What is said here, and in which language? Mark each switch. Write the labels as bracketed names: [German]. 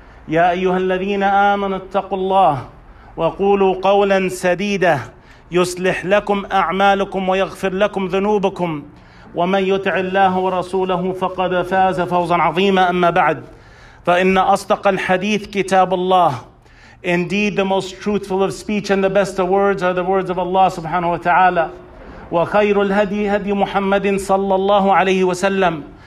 [Arabic] يا أيها الذين آمنوا اتقوا الله وقولوا قولا سديدا يصلح لكم أعمالكم ويغفر لكم ذنوبكم، ومن يطع الله ورسوله فقد فاز فوزا عظيما. أما بعد، فإن أصدق الحديث كتاب الله. [English] Indeed, the most truthful of speech and the best of words are the words of Allah subhanahu wa ta'ala. [Arabic] وخير الهدي هدي محمد صلى الله عليه وسلم.